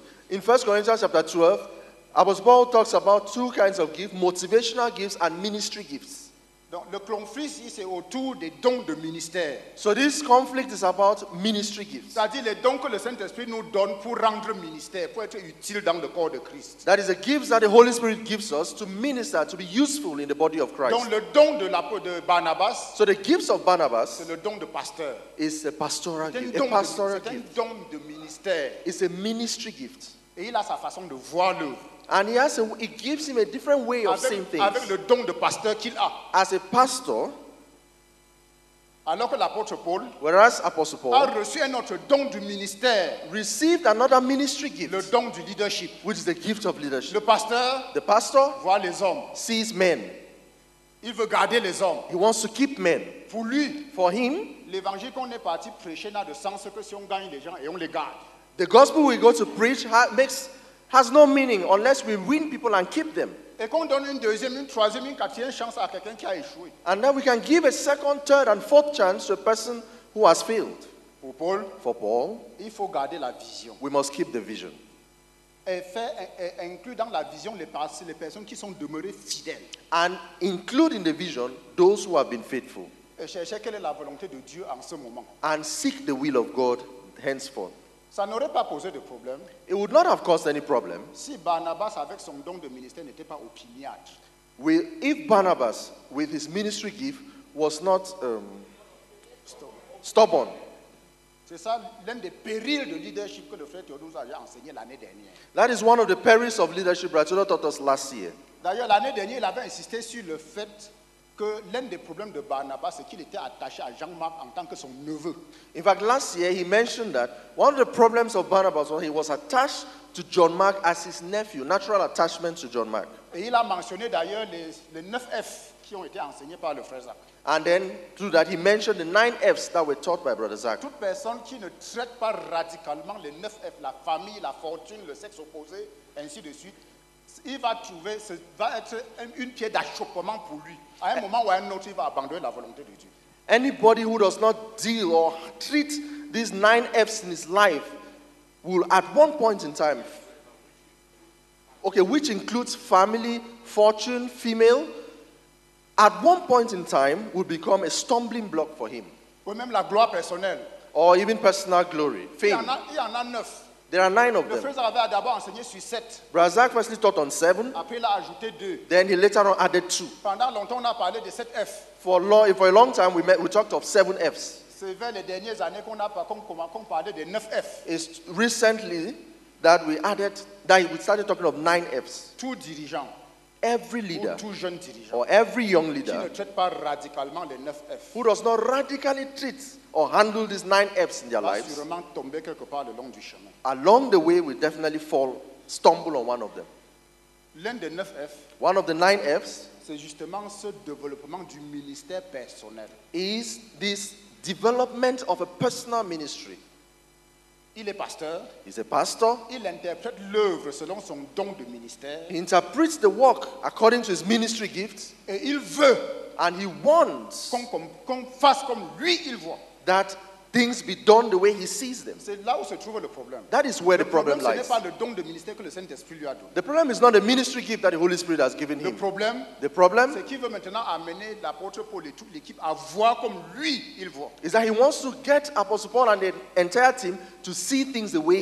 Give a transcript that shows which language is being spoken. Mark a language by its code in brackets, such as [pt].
[en] In 1 Corinthians chapter 12, Apostle Paul talks about two kinds of gifts, motivational gifts and ministry gifts. [fr] Donc, le conflit ici, c'est autour des dons de ministère. [en] So this conflict is about ministry gifts. [fr] C'est-à-dire les dons que le Saint-Esprit nous donne pour rendre ministère, pour être utile dans le corps de Christ. [en] That is the gifts that the Holy Spirit gives us to minister, to be useful in the body of Christ. [fr] Donc le don de Barnabas. [en] So the gifts of Barnabas. [fr] C'est le don de pasteur. [en] Is a pastoral gift. [fr] C'est un don de ministère. [en] It's a ministry gift. [fr] Et il a sa façon de voir l'œuvre. [en] And it gives him a different way of seeing things. [fr] Avec le don de pasteur qu'il a. [en] As a pastor, [fr] alors que l'apôtre Paul, [en] whereas Apostle Paul [fr] a reçu un autre don du ministère, [en] received another ministry gift, [fr] le don du leadership, [en] which is the gift of leadership. [fr] Le pasteur, [en] the pastor [fr] voit les hommes, [en] sees men. [fr] Il veut garder les hommes. [en] He wants to keep men. [fr] Pour lui, [en] for him, [fr] l'évangile qu'on est parti prêcher n'a de sens que si on gagne les gens et on les garde. [en] The gospel we go to preach has no meaning unless we win people and keep them. [fr] Et donne une deuxième, une troisième, une quatrième chance à quelqu'un qui a échoué. [en] And then we can give a second, third, and fourth chance to a person who has failed. [fr] Pour Paul, [en] for Paul, [fr] il faut garder la vision. [en] We must keep the vision. [fr] Et faire inclure dans la vision les personnes qui sont demeurées fidèles. [en] And include in the vision those who have been faithful. [fr] Et chercher quelle est la volonté de Dieu en ce moment. [en] And seek the will of God henceforth. [fr] Ça n'aurait pas posé de problème. [en] It would not have caused any problem. [fr] Si Barnabas avec son don de ministère n'était pas opiniâtre. [en] If Barnabas with his ministry gift was not stubborn. [fr] C'est ça l'un des périls de leadership que le frère Théodore nous avait enseigné l'année dernière. [en] That is one of the perils of leadership that Théodore taught us last year. [fr] D'ailleurs l'année dernière il avait insisté sur le fait que l'un des problèmes de Barnabas c'est qu'il était attaché à Jean-Marc en tant que son neveu. [en] In fact, last year he mentioned that one of the problems of Barnabas was he was attached to John Mark as his nephew, natural attachment to John Mark. [fr] Et il a mentionné d'ailleurs les 9 F qui ont été enseignés par le frère Zach. [en] And then through that he mentioned the 9 F's that were taught by Brother Zach. [fr] Toute personne qui ne traite pas radicalement les 9 F, la famille, la fortune, le sexe opposé, ainsi de suite, il va trouver, ce va être une pierre d'achoppement pour lui. À un moment ou à un autre, il va abandonner la volonté de Dieu. [en] Anybody who does not deal or treat these 9 F's in his life will at one point in time, okay, which includes family, fortune, female, at one point in time will become a stumbling block for him. [fr] Ou même la gloire personnelle. [en] Or even personal glory, fame. [fr] Il y en a 9. [en] There are 9 of [fr] le [en] them. [fr] Frère Zach avait d'abord enseigné sur 7. [en] Brother Zach firstly taught on 7. [fr] Après, il a ajouté 2. [en] Then he later on added 2. [fr] Pendant longtemps, on a parlé de 7 F. [en] For a long time, we talked of 7 F's. [fr] C'est vers les dernières années qu'on parlait de 9 F. [en] It's recently that we started talking of 9 F's. [fr] Tout dirigeant. [en] Every leader. [fr] Ou tout jeune dirigeant. [en] Or every young leader. [fr] Qui ne traite pas radicalement les 9 F's. [en] Who does not radically treat or handle these 9 F's in their lives. [fr] Va sûrement tomber quelque part le long du chemin. [en] Along the way, we definitely stumble on one of them. [fr] L'un des 9 F's. [en] One of the 9 F's. [fr] C'est justement ce développement du ministère personnel. [en] Is this development of a personal ministry. [fr] Il est pasteur. [en] He's a pastor. [fr] Il interprète l'œuvre selon son don de ministère. [en] He interprets the work according to his ministry gifts. [fr] Et il veut. [en] And he wants. [fr] Qu'on fasse comme lui il voit. [en] That things be done the way he sees them. [fr] C'est là où se trouve le problème. [en] That is where the problem lies. [fr] Ce n'est pas le don de ministère que le Saint-Esprit lui a donné. [en] The problem is not the ministry gift that the Holy Spirit has given him. The problem. [fr] C'est qu'il veut maintenant amener l'apôtre Paul et toute l'équipe à voir comme lui il voit. [en] Is that he wants to get Apostle Paul and the entire team to see things the way